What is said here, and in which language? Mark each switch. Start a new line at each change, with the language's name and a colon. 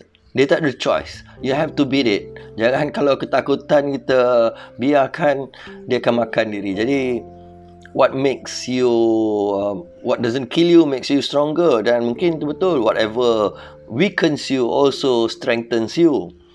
Malay: Dia tak ada
English: choice, you have to beat it.
Malay: Jangan kalau ketakutan kita biarkan, dia akan makan diri.
English: Jadi what makes you, what doesn't kill you makes you stronger.
Malay: Dan mungkin itu betul,
English: whatever weakens you also strengthens you.